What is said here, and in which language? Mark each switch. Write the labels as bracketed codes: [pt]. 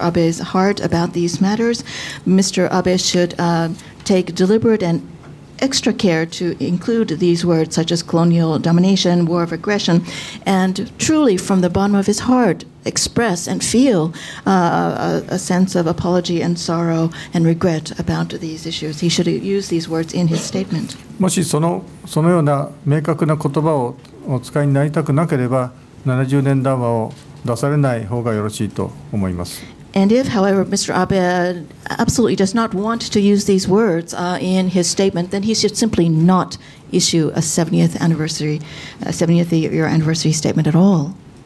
[en] Abe's heart about these matters, Mr. Abe should take deliberate and extra care to include these words such as colonial domination, war of aggression, and truly from the bottom of his heart express and feel a sense of apology and sorrow and regret about these issues. He should use these words in his statement. [ja] もしそのような明確な言葉をお使いになりたくなければ、70年談話を出されない方がよろしいと思います。 [en] And if, however, Mr. Abe absolutely does not want to use these words in his statement, then he should simply not issue a 70th anniversary, 70th year anniversary statement at all.